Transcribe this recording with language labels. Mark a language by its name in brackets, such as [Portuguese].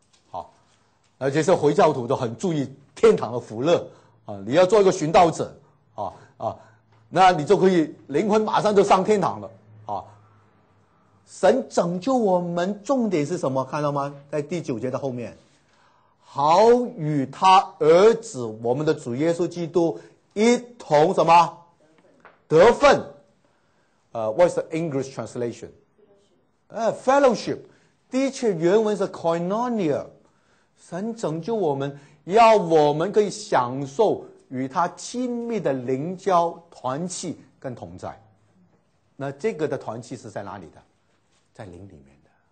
[Chinese] 好，而且是回教徒都很注意天堂的福乐啊，你要做一个寻道者啊啊，那你就可以灵魂马上就上天堂了啊。神拯救我们，重点是什么？看到吗？在第九节的后面，好与他儿子我们的主耶稣基督一同什么得分。 [English] What's the English translation? Fellowship. [Chinese] 的确原文是 koinonia. 神拯救我们，要我们可以享受与他亲密的灵交团契跟同在。那这个的团契是在哪里的？在灵里面的。